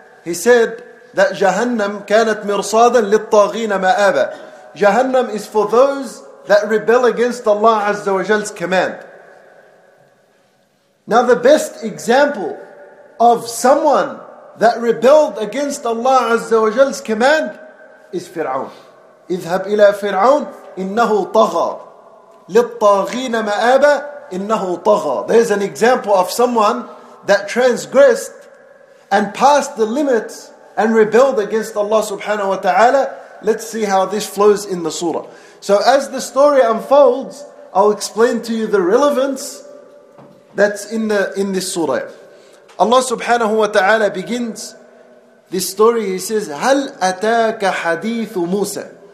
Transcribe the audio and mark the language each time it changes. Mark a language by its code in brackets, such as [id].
[en] He said that Jahannam [ar] كانت مِرْصَادًا لِلطَّاغِينَ مَآبَ. [en] Jahannam is for those that rebel against Allah Azza wa Jal's command. Now the best example of someone that rebelled against Allah Azza wa Jal's command is Fir'aun. [ar] اذهب إلى فرعون إنه طغى للطاغين مآبا إنه طغى. [en] There's an example of someone that transgressed and passed the limits and rebelled against Allah subhanahu wa ta'ala. Let's see how this flows in the surah. So as the story unfolds, I'll explain to you the relevance that's in this surah. Allah subhanahu wa ta'ala begins this story. He says, [ar] هل أتاك حديث موسى.